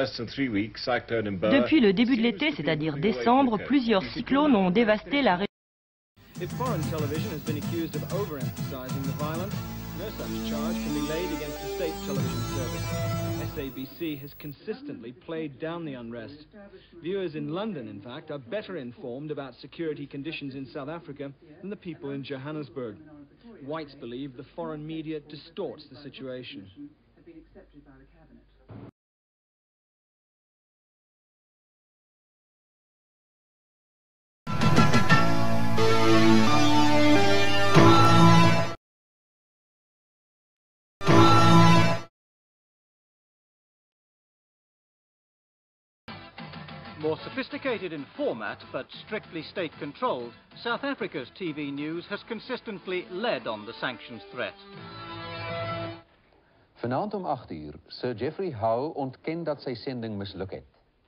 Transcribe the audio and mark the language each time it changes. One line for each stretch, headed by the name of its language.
French: Depuis le début de l'été, c'est-à-dire décembre, plusieurs cyclones ont dévasté la région.
English: If foreign television has been accused of overemphasizing the violence, no such charge can be laid against the state television service. SABC has consistently played down the unrest. Viewers in London, in fact, are better informed about security conditions in South Africa than the people in Johannesburg. Whites believe the foreign media distorts the situation. More sophisticated in format, but strictly state-controlled, South Africa's TV news has consistently led on the sanctions threat.
Dutch: Vanavond om 8 uur, Sir Geoffrey Howe ontkent dat zijn zending mislukt heeft.